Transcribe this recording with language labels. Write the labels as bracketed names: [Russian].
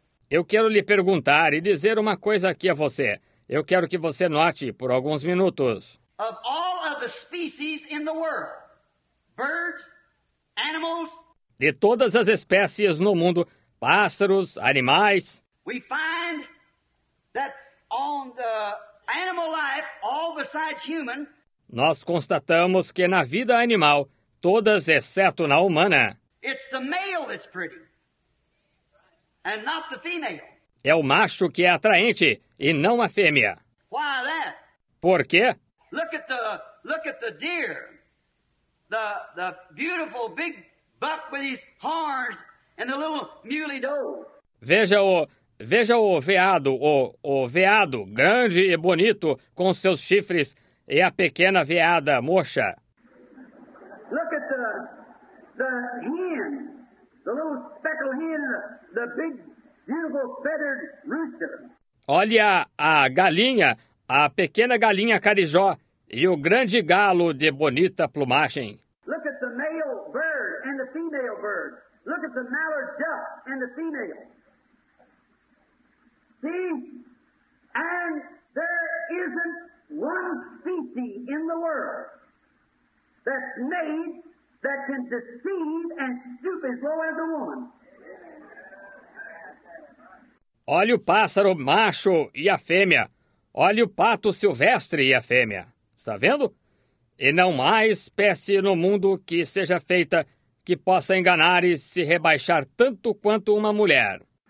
[Portuguese] Eu quero lhe perguntar e dizer uma coisa aqui a você. Eu quero que você note por alguns minutos. [English] Of all of the species in the world, birds, animals, [Portuguese] de todas as espécies no mundo, pássaros, animais, [English] we find that on the animal life, all besides human, [Portuguese] nós constatamos que na vida animal, todas exceto na humana, [English] it's the male that's pretty, and not the female. [Portuguese] É o macho que é atraente e não a fêmea. [English] Why that? [Portuguese] Por quê? [English] Look at the deer. The beautiful big buck with his horns and the little muley doe. [Portuguese] Veja o veado grande e bonito com seus chifres e a pequena veada murcha. [English] Look at the hen. The little speckled hen, the big beautiful feathered rooster. [Portuguese] Olha a pequena galinha carijó. E o grande galo de bonita plumagem. [English] Look at the male bird and the female bird. Look at the mallard duck and the female. See? And there isn't one species in the world that's made that can deceive and stoop as low as a woman. [Portuguese] Olha o pássaro macho e a fêmea. Olha o pato silvestre e a fêmea. Está vendo? E não há espécie no mundo que seja feita que possa enganar e se rebaixar tanto quanto uma mulher.